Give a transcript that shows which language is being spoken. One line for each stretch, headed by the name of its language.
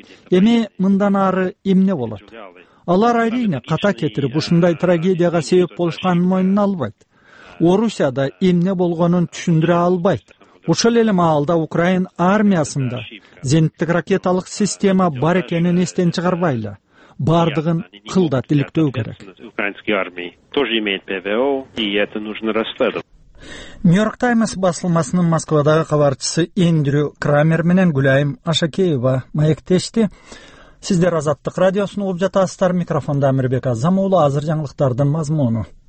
Kyrgyz: Эми мындан ары эмне болот? Алар айрыйне ката кетирип ушундай трагедияга себеп болушканын мойнуна албайт. Орусияда эмне болгонун түшүндүрө албайт. Ошол эле маалда Украин армиясында зениттик ракеталык система бар экенин эстен чыгарбайлы. Бардыгын кылда тиликтөө керек.
Russian: Украинский армия тоже имеет ПВО, и это нужно расследовать.
Kyrgyz: Нью-Йорк Таймс басылмасынын Москвадагы кабарчысы Эндрю Крамер менен Гүлайым Ашакеева маектешти. Сиздер Азаттык радиосун угуп жатасыздар. Микрофондо Амирбек Азам уулу, азыр жаңылыктардын мазмуну.